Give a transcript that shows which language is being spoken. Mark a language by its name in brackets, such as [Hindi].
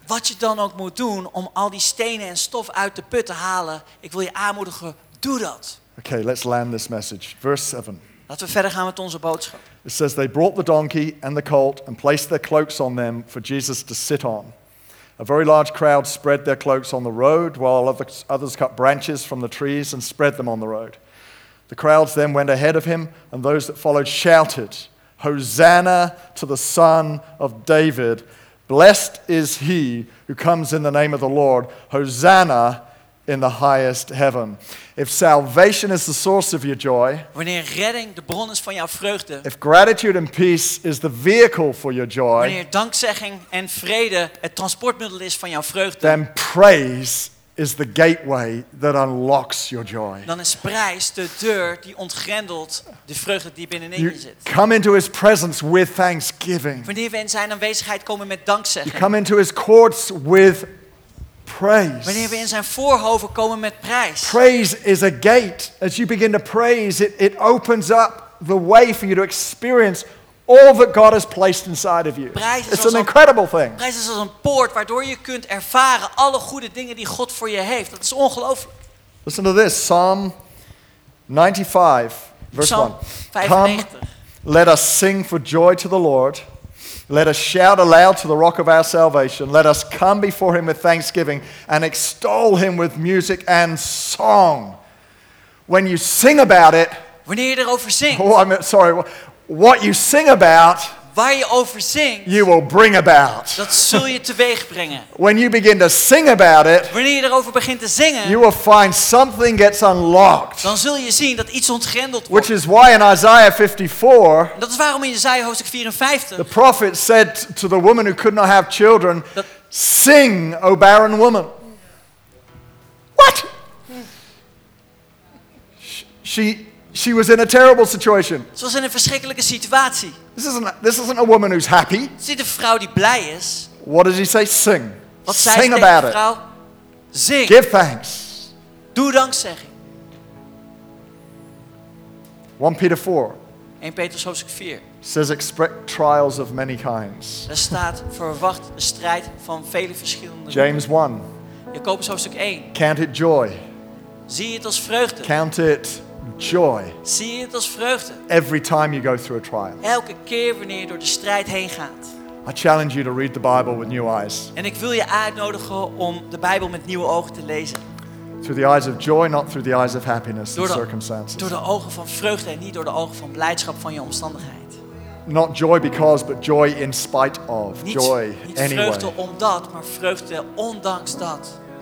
[Dutch] Wat je dan ook moet doen om al die stenen en stof uit de put te halen, ik wil je aanmoedigen, doe dat. [English] Okay, let's land this message. Verse 7. [Dutch] Laten we verder gaan met onze boodschap. [English] It says, they brought the donkey and the colt and placed their cloaks on them for Jesus to sit on. A very large crowd spread their cloaks on the road while others cut branches from the trees and spread them on the road. The crowds then went ahead of him, and those that followed shouted, Hosanna to the Son of David. Blessed is he who comes in the name of the Lord. Hosanna in the highest heaven. If salvation is the source of your joy, [Dutch] wanneer redding de bron is van jouw vreugde, [English] if gratitude and peace is the vehicle for your joy, [Dutch] wanneer dankzegging en vrede het transportmiddel is van jouw vreugde, [English] then praise is the gateway that unlocks your joy. [Dutch] Dan is prijs de deur die ontgrendelt de vreugde die binnenin je zit. [English] Come into his presence with thanksgiving. [Dutch] Wanneer we in zijn aanwezigheid komen met dankzegging. [English] You come into his courts with praise. [Dutch] Wanneer we in zijn voorhoven komen met prijs. [English] Praise is a gate. As you begin to praise, it opens up the way for you to experience all that God has placed inside of you. It's an incredible thing. [Dutch] Prijs is als een poort waardoor je kunt ervaren alle goede dingen die God voor je heeft. Dat is ongelooflijk. [English] Listen to this, Psalm 95, verse 1. Come, let us sing for joy to the Lord. Let us shout aloud to the rock of our salvation. Let us come before him with thanksgiving and extol him with music and song. When you sing about it. [Dutch] Wanneer je erover zingt. [English] Oh, I'm sorry. What you sing about, [Dutch] waar je over zingt, [English] you will bring about. [Dutch] Dat zul je teweeg brengen. [English] When you begin to sing about it, [Dutch] wanneer je erover begint te zingen, [English] you will find something gets unlocked. [Dutch] Dan zul je zien dat iets ontgrendeld wordt. [English] Which is why in Isaiah 54, [Dutch] en dat is waarom in Isaiah hoofdstuk 54, [English] the prophet said to the woman who could not have children, sing, O barren woman. What? She was in a terrible situation. [Dutch] Ze was in een verschrikkelijke situatie. [English] This isn't a woman who's happy. [Dutch] Het is niet een vrouw die blij is. [English] What did he say? Sing. [Dutch] Wat zei hij tegen de vrouw? Zing. [English] Give thanks. [Dutch] Doe dankzegging. [English] 1 Peter 4. [Dutch] 1 Petrus hoofdstuk 4. [English] Says expect trials of many kinds. [Dutch] Er staat verwacht de strijd van vele verschillende. [English] James 1. [Dutch] Jacobus hoofdstuk 1. [English] Count it joy. [Dutch] Zie het als vreugde. [English] Count it joy. [Dutch] Zie het als vreugde. [English] Every time you go through a trial. [Dutch] Elke keer wanneer je door de strijd heen gaat. [English] I challenge you to read the Bible with new eyes. [Dutch] En ik wil je uitnodigen om de Bijbel met nieuwe ogen te lezen. [English] Through the eyes of joy, not through the eyes of happiness and circumstances. [Dutch] Door de ogen van vreugde en niet door de ogen van blijdschap van je omstandigheid. [English] Not joy because, but joy in spite of. [Dutch] Niet, [English] joy [Dutch] niet [English] anyway. [Dutch] Vreugde omdat, maar vreugde ondanks dat.